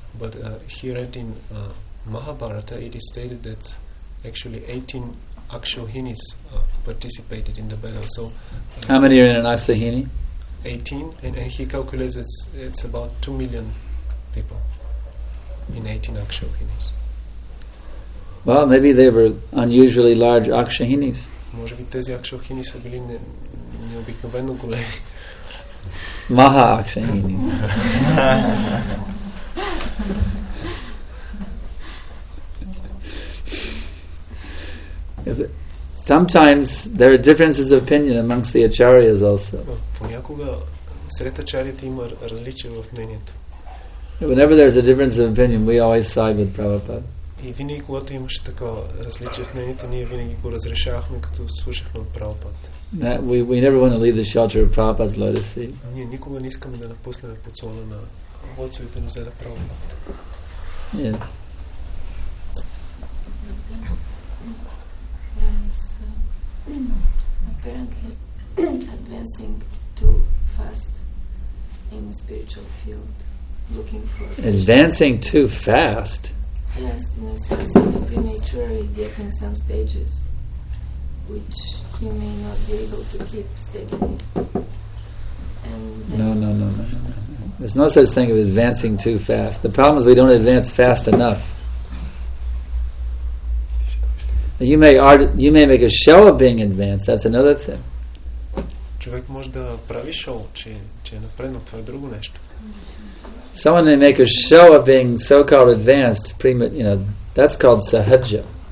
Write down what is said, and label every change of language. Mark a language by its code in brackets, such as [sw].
[en] But here in Mahabharata, it is stated that actually 18 Akshohinis participated in the battle. So, how many are in an Akshohini? 18, and he calculates it's about 2 million people in 18 Akshohinis. Well, maybe they were unusually large Akshohinis. [bg] Може би тези акшохини са били необикновено големи. Маха акшохини. [en] Sometimes there are differences of opinion amongst the acharyas also. [bg] Понякога сред ачарите има различия в мнението. [en] Whenever there is a difference of opinion, we always side with Prabhupada. [bg] И винаги, когато имаше такова различие в мнението, ние винаги го разрешавахме, като слушахме от Прабхупада. [en] We never want to leave the shelter of Prabhupada's lotus feet. [bg] Ние никога не искаме да напуснем подслона на лотосовите нозе на Прабхупада. [en] Yes. Apparently advancing too fast in the spiritual field, looking for advancing too fast. Yes, in a sense of prematurely getting some stages which he may not be able to keep steady. No. There's no such thing of advancing too fast. The problem is we don't advance fast enough. You may make a show of being advanced, that's another thing. [bg] Човек може да прави шоу, че е напред, но това е друго нещо. [en] Someone may make a show of being so-called advanced, that's called sahaja.